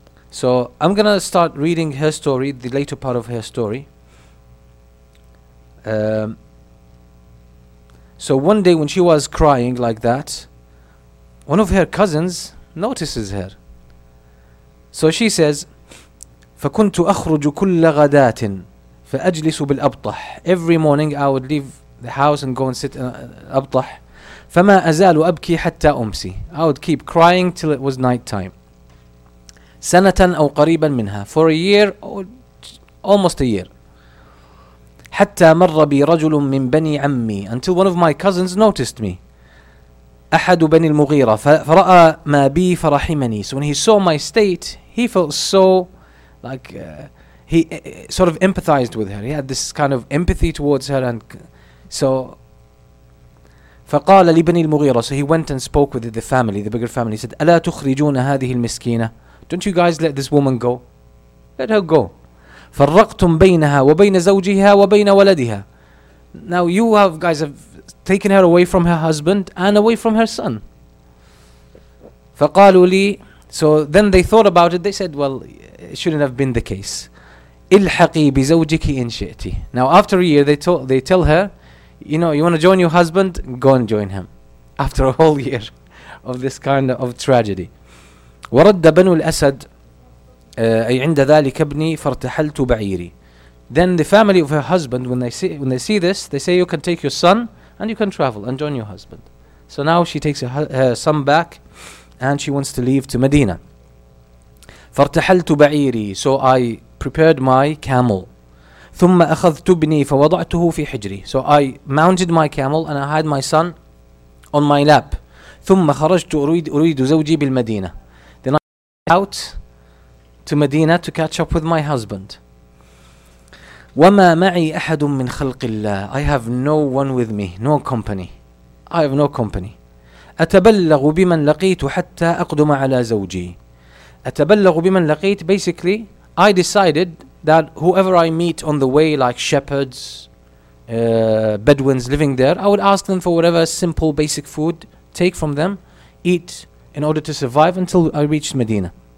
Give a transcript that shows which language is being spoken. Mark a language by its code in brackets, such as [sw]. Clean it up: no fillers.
[en] So I'm going to start reading her story, the later part of her story. So one day when she was crying like that, one of her cousins notices her. So she says, [ar] فَكُنْتُ أَخْرُجُ كُلَّ غَدَاتٍ فَأَجْلِسُ بِالْأَبْطَحِ. [en] Every morning I would leave the house and go and sit in Abtah. [ar] فَمَا أَزَالُ أَبْكِي حَتَّى أُمْسِي. [en] I would keep crying till it was night time. [ar] سَنَةً أَوْ قَرِيبًا مِنْهَا. [en] For a year, almost a year. [ar] حَتَّى مَرَّ بِي رَجُلٌ مِّن بَنِي عَمِّي. [en] Until one of my cousins noticed me. [ar] أَحَدُ بَنِي الْمُغِيرَ فَرَأَ مَا بِي فَرَحِمَنِي. [en] So when he saw my state, he felt so sort of empathized with her. He had this kind of empathy towards her. And so [ar] فقال لبني المغيرة. [en] So he went and spoke with the family, the bigger family. He said, [ar] ألا تخرجون هذه المسكينة. [en] Don't you guys let this woman go? Let her go. [ar] فرقتم بينها وبين زوجها وبين ولدها. [en] Now you guys have taken her away from her husband and away from her son. [ar] فقالوا لي. [en] So then they thought about it. They said, well, it shouldn't have been the case. [ar] إلحقي بزوجك إن شئتي. [en] Now after a year, they tell her, you know, you want to join your husband? Go and join him. After a whole year of this kind of tragedy. [ar] ورد بنو الأسد أي عند ذلك ابني فارتحلت بعيري. [en] Then the family of her husband, when they see this, they say, you can take your son and you can travel and join your husband. So now she takes her son back and she wants to leave to Medina. [ar] فارتحلت بعيري. [en] So I prepared my camel. [ar] ثم أخذت ابني فوضعته في حجري. [en] So I mounted my camel and I had my son on my lap. [ar] ثم خرجت أريد زوجي بالمدينة. [en] Then I went out to Medina to catch up with my husband. [ar] وما معي أحد من خلق الله. [en] I have no one with me, no company. I have no company. [ar] أتبلغ بمن لقيت حتى أقدم على زوجي. أتبلغ بمن لقيت. [en] Basically, I decided that whoever I meet on the way, like shepherds, Bedouins living there, I would ask them for whatever simple basic food, take from them, eat in order to survive until I reached Medina.